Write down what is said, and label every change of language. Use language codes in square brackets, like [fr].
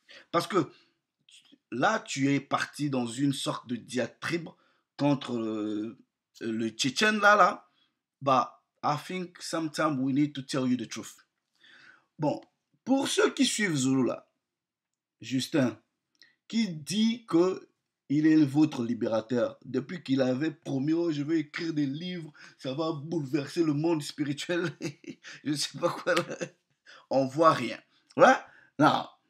[fr] Parce que là, tu es parti dans une sorte de diatribe contre le Tchétchène, là. [en] Bah, I think sometime we need to tell you the truth. [fr] Bon, pour ceux qui suivent Zulu, là, Justin, qui dit que il est votre libérateur. Depuis qu'il avait promis, oh, je vais écrire des livres, ça va bouleverser le monde spirituel. Je ne sais pas quoi. Là. On ne voit rien. Voilà. Non.